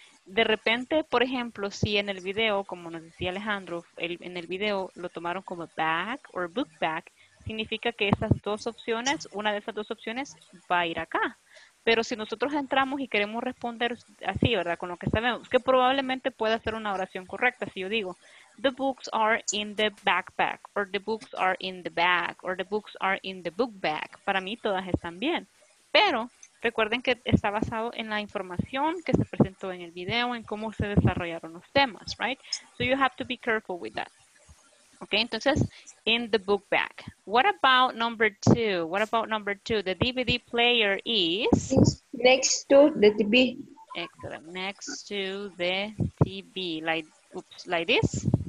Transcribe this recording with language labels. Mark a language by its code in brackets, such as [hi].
[es] De repente, por ejemplo, si en el video, como nos decía Alejandro, en el video lo tomaron como bag or book bag, significa que esas dos opciones, una de esas dos opciones va a ir acá. Pero si nosotros entramos y queremos responder así, ¿verdad? Con lo que sabemos, que probablemente pueda ser una oración correcta. Si yo digo, [en] the books are in the backpack, or the books are in the bag, or the books are in the book bag. [es] Para mí todas están bien. Pero recuerden que está basado en la información que se presentó en el video, en cómo se desarrollaron los temas, [en] right? So you have to be careful with that. Okay, [es] entonces, [en] in the book bag. What about number two? What about number two? The DVD player is... next to the TV. Excellent. Next to the TV. Like, oops, like this?